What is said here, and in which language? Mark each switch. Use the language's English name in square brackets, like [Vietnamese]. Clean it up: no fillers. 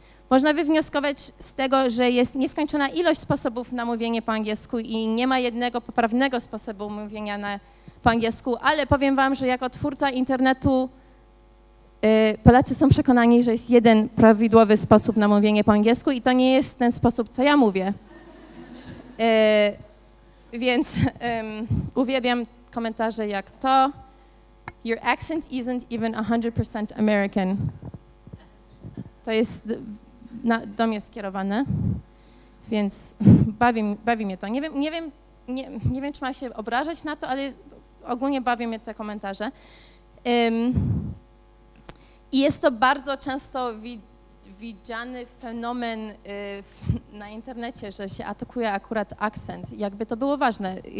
[Polish] Można wywnioskować z tego, że jest nieskończona ilość sposobów na mówienie po angielsku i nie ma jednego poprawnego sposobu mówienia po angielsku, ale powiem wam, że jako twórca internetu Polacy są przekonani, że jest jeden prawidłowy sposób na mówienie po angielsku i to nie jest ten sposób, co ja mówię. Więc uwielbiam komentarze jak to. [English] Your accent isn't even 100% American. [Polish] To jest do mnie skierowane, więc bawi mnie to. Nie wiem, czy mam się obrażać na to, ale ogólnie bawią mnie te komentarze. I jest to bardzo często widziany fenomen na internecie, że się atakuje akurat akcent, jakby to było ważne.